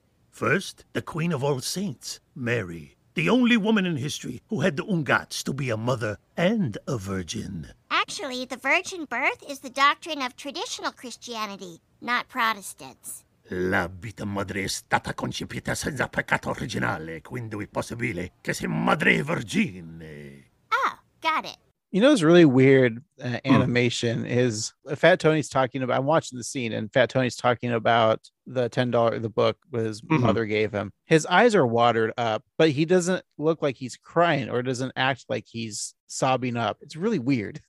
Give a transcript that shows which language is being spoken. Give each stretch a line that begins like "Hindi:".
English: First, the Queen of all Saints, Mary. The only woman in history who had the ungats to be a mother and a virgin. Actually, the virgin birth is the doctrine of traditional Christianity, not Protestants.
Italian: La vita madre è stata concepita senza peccato originale, quindi è possibile che sia madre vergine.
English: Oh, got it. You know, it's really weird animation is Fat Tony's talking about, I'm watching the scene and Fat Tony's talking about the $10, the book his mother gave him. His eyes are watered up, but he doesn't look like he's crying or doesn't act like he's sobbing up. It's really weird.